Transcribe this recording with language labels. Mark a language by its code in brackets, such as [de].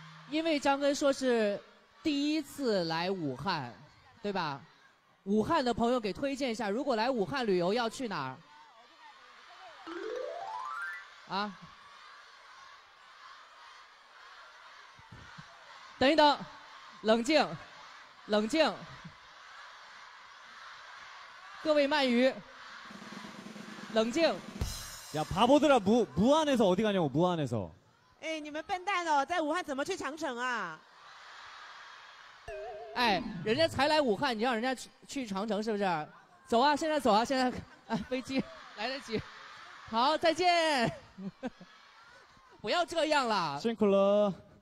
[zh] 因为张根说是第一次来武汉对吧武汉的朋友给推荐一下如果来武汉旅游要去哪儿啊等一等冷静冷静各位鳗鱼冷静 [ko] 야바보들아 무안에서어디가냐고무안에서 [zh] 哎你们笨蛋哦在武汉怎么去长城啊哎人家才来武汉你让人家 去长城是不是走啊现在走啊现在啊飞机来得及好再见不要这样了辛苦了